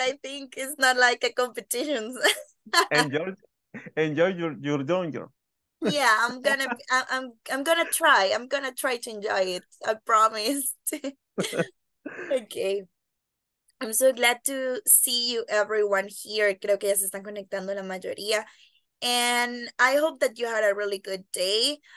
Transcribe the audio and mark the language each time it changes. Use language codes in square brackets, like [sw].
[en] I think it's not like a competition. enjoy your danger. Yeah, I'm gonna try to enjoy it. I promise. Okay. I'm so glad to see you, everyone here. [es] Creo que ya se están conectando la mayoría. [en] And I hope that you had a really good day.